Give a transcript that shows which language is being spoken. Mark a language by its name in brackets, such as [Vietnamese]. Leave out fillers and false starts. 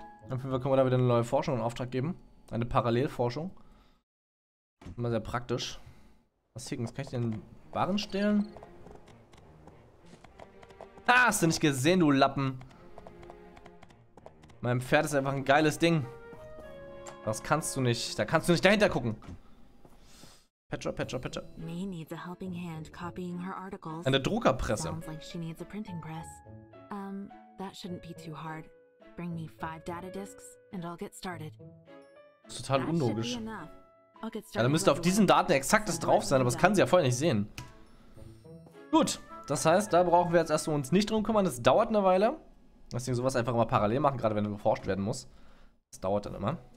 [German] Auf jeden Fall können wir da wieder eine neue Forschung in Auftrag geben. Eine Parallelforschung. Immer sehr praktisch. Was Higgins, kann ich den Waren stehlen? Ha, hast du nicht gesehen, du Lappen. Mein Pferd ist einfach ein geiles Ding. Das kannst du nicht. Da kannst du nicht dahinter gucken. Petra, Petra, Petra. [English] May needs a helping hand copying her articles. [German] Eine Druckerpresse. [English] Sounds like she needs a printing press. That shouldn't be too hard. Bring me 5 data disks and I'll get started. [German] Das ist total unlogisch. Ja, da müsste auf diesen Daten exaktes drauf sein, aber das kann sie ja vorher nicht sehen. Gut, das heißt, da brauchen wir jetzt erstmal uns nicht drum kümmern. Das dauert eine Weile. Deswegen sowas einfach immer parallel machen, gerade wenn beforscht werden muss. Das dauert dann immer.